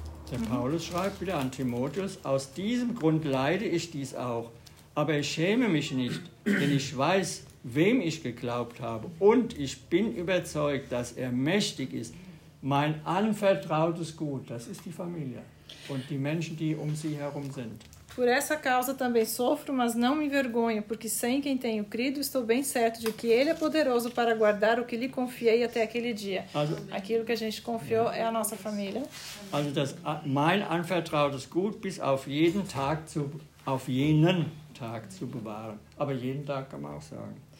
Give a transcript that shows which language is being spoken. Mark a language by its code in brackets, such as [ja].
[de] Der Paulus schreibt wieder an Timotheus: Aus diesem Grund leide ich dies auch. Aber ich schäme mich nicht, denn ich weiß, wem ich geglaubt habe. Und ich bin überzeugt, dass er mächtig ist. Mein anvertrautes Gut, das ist die Familie und die Menschen, die um sie herum sind. [pt] Por essa causa também sofro, mas não me envergonho, porque sem quem tenho crido, estou bem certo de que Ele é poderoso para guardar o que lhe confiei até aquele dia. [de] Also, [pt] aquilo que a gente confiou é a nossa família. [de] Also das, mein anvertrautes Gut bis auf jeden Tag zu, auf jenen Tag zu bewahren. Aber jeden Tag kann man auch sagen.